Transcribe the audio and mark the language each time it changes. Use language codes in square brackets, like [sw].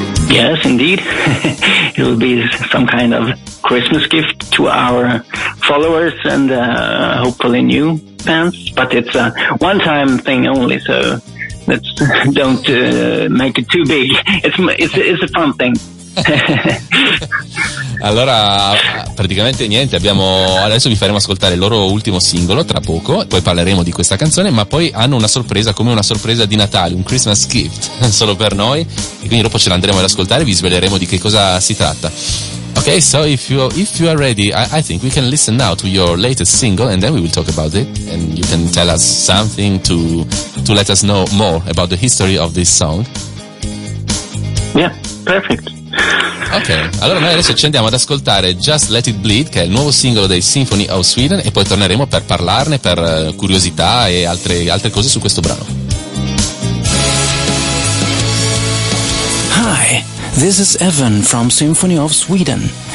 [en] Yes, indeed. It will be some kind of Christmas gift to our followers and hopefully new fans. But it's a one-time thing only, so let's don't make it too big. It's a fun thing. [it] Allora, praticamente niente, adesso vi faremo ascoltare il loro ultimo singolo tra poco, poi parleremo di questa canzone, ma poi hanno una sorpresa, come una sorpresa di Natale, un Christmas gift solo per noi, e quindi dopo ce l'andremo ad ascoltare e vi sveleremo di che cosa si tratta. [en] Ok, so if you are ready, I think we can listen now to your latest single, and then we will talk about it, and you can tell us something to let us know more about the history of this song. Yeah, perfect. [it] Ok, allora noi adesso ci andiamo ad ascoltare Just Let It Bleed, che è il nuovo singolo dei Symphony of Sweden, e poi torneremo per parlarne, per curiosità e altre cose su questo brano. [en] Hi, this is Evan from Symphony of Sweden.